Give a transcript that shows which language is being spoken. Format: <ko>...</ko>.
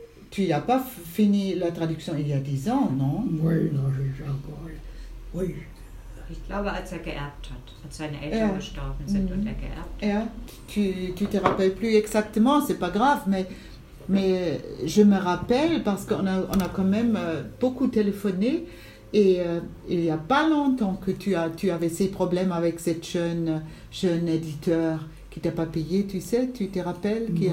<fr>Tu n'as pas fini la traduction il y a 10 ans, non? Oui, non, j'ai encore. Oui.</fr> <de>Ich glaube, als er geerbt hat, als seine Eltern ja. gestorben sind und er geerbt ja. hat. Ja,</de> <fr>tu te rappelles plus exactement, c'est pas grave, mais. Mais je me rappelle parce qu'on a quand même beaucoup téléphoné et il n'y a pas longtemps que tu avais ces problèmes avec cette jeune éditeur qui t'a pas payé, tu sais, tu te rappelles qu'il oui.</fr>